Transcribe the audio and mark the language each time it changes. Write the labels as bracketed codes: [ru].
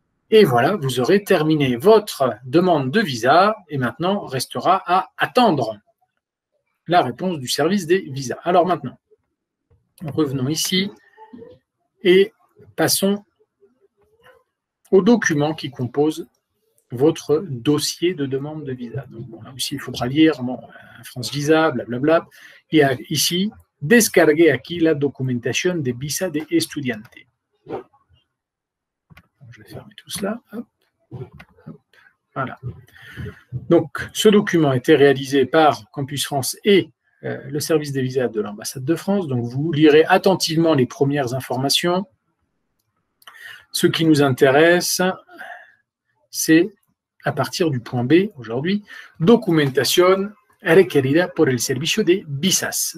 [fr] Et voilà, vous aurez terminé votre demande de visa et maintenant restera à attendre la réponse du service des visas. Alors maintenant, revenons ici et passons aux documents qui composent votre dossier de demande de visa. Donc, bon, là aussi, il faudra lire bon, France Visa, blablabla. Et ici, [es] descarguer aquí la documentación de visa de estudiante. [fr] Je vais fermer tout cela. Hop. Voilà. Donc, ce document a été réalisé par Campus France et le service des visas de l'ambassade de France. Donc, vous lirez attentivement les premières informations. Ce qui nous intéresse, c'est à partir du point B aujourd'hui, [es] documentación requerida por el servicio de visas.